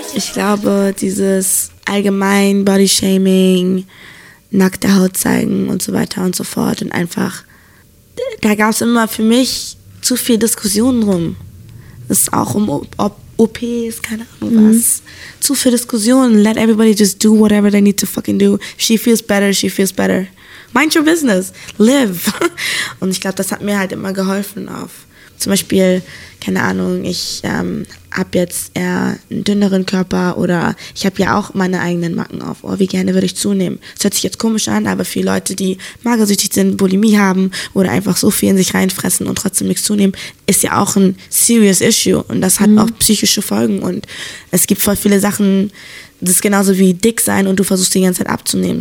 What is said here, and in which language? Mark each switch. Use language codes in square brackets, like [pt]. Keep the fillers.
[de] Ich glaube, dieses allgemein Bodyshaming, nackte Haut zeigen und so weiter und so fort und einfach, da gab es immer für mich zu viel Diskussionen drum. Es ist auch um O- ob OPs, keine Ahnung was. Zu viel Diskussionen. [en] Let everybody just do whatever they need to fucking do. She feels better, she feels better. Mind your business. Live. [de] Und ich glaube, das hat mir halt immer geholfen auf zum Beispiel, keine Ahnung, ich ähm, habe jetzt eher einen dünneren Körper oder ich habe ja auch meine eigenen Macken auf. Oh, wie gerne würde ich zunehmen. Das hört sich jetzt komisch an, aber für Leute, die magersüchtig sind, Bulimie haben oder einfach so viel in sich reinfressen und trotzdem nichts zunehmen, ist ja auch ein [en] serious issue [de] und das hat auch psychische Folgen und es gibt voll viele Sachen, das ist genauso wie dick sein und du versuchst die ganze Zeit abzunehmen.